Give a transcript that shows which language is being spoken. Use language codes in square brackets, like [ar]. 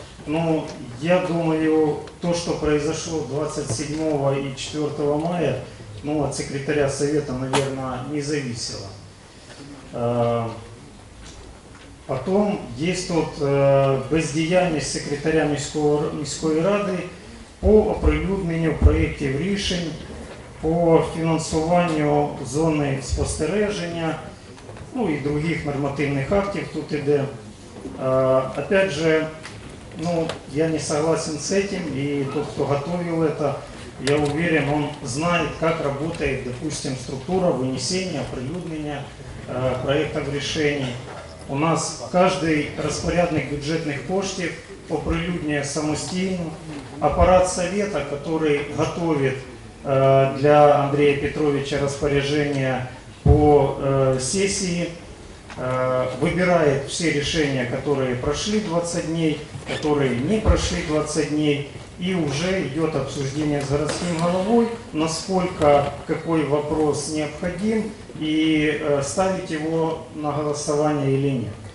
[ru] Ну, я думаю, то, что произошло 27 и 4 мая, ну, от секретаря совета, наверное, не зависело. Потом есть тут бездеяльность [uk] секретаря міської ради по оприлюдненню проектів рішень, по фінансуванню зони спостереження, ну, і других нормативних актів тут іде. [ru] Опять же, ну, я не согласен с этим, и тот, кто готовил это, я уверен, он знает, как работает, допустим, структура вынесения, оприлюднения проектов решений. У нас каждый распорядник бюджетных [uk] коштів оприлюднює самостійно. [ru] Аппарат совета, который готовит для Андрея Петровича распоряжение по сессии, выбирает все решения, которые прошли 20 дней, которые не прошли 20 дней, и уже идет обсуждение с городским головой, насколько какой вопрос необходим, и ставить его на голосование или нет.